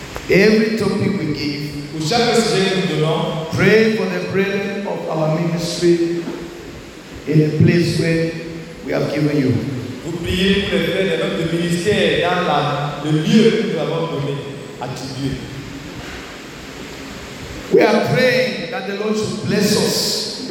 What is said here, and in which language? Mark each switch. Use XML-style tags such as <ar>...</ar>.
<en>Every topic we give, pray for the brethren of our ministry in a place where we have given you.</en> <fr>Vous priez pour les frères de notre ministère dans la, le lieu que nous avons donné à Dieu.</fr> <en>We are praying that the Lord should bless us.</en>